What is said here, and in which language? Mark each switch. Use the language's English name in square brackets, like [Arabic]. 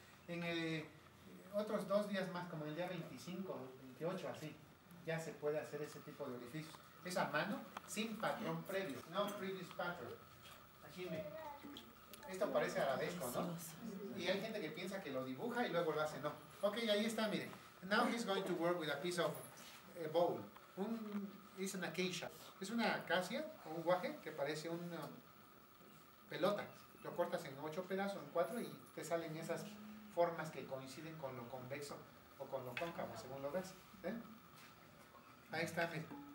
[Spanish] En otros 2 días más, como el día 25, 28, así. Ya se puede hacer ese tipo de orificios. Es a mano, sin patrón previo. [English] No previous pattern. [Spanish] Ajime. Esto parece arabesco, ¿no? Y hay gente que piensa que lo dibuja y luego lo hace. No. Ok, ahí está, mire. [English] Now he's going to work with a piece of bowl. It's an acacia. [Spanish] Es una acacia, o un guaje, que parece una pelota. Lo cortas en 8 pedazos, en 4, y te salen esas formas que coinciden con lo convexo o con lo cóncavo, según lo ves. ¿Eh? Ahí está, mire.